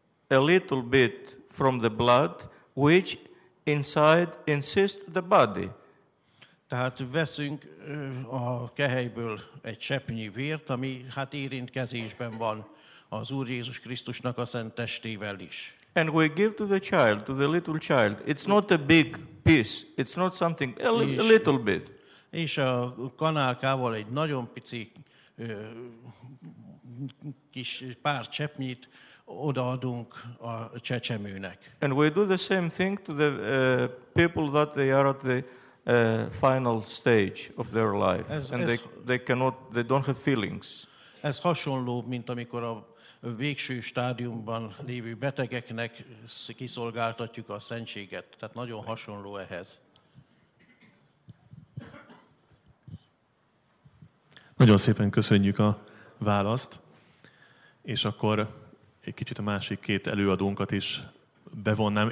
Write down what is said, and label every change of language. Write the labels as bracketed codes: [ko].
[en] a little bit from the blood, which inside encysts the body. [hu] Tehát veszünk a kehelyből egy cseppnyi vért, ami hát érintkezésben van az Úr Jézus Krisztusnak a szent testével is. [en] And we give to the child, to the little child. It's not a big piece. It's not something, a little bit. [hu] És a kanálkával egy nagyon pici kis pár cseppnyit odaadunk a csecsemőnek. [en] And we do the same thing to the people that they are at the final stage of their life. They don't have feelings. [hu] Ez hasonló, mint amikor a végső stádiumban lévő betegeknek kiszolgáltatjuk a szentséget. Tehát nagyon hasonló ehhez. Nagyon szépen köszönjük a választ. És akkor egy kicsit a másik két előadónkat is bevonnám.